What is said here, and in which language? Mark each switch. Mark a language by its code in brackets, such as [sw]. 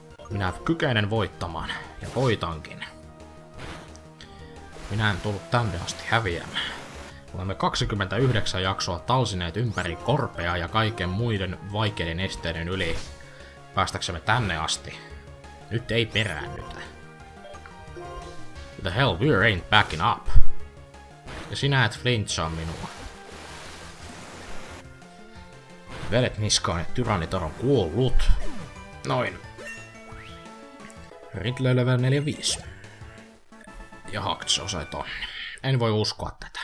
[fi] Minä kykenen voittamaan, ja voitankin. Minä en tullut tänne asti häviämään. Olemme 29 jaksoa talsineet ympäri korpea ja kaiken muiden vaikeiden esteiden yli. Päästäksemme tänne asti. Nyt ei peräännytä. [en] The hell, we ain't backing up. [fi] Ja sinä et flinchaa minua. Vedet niskaan, että Tyranitar on kuollut. Noin. Ridley level 4-5. Ja Hackshaw sai tonne. En voi uskoa tätä.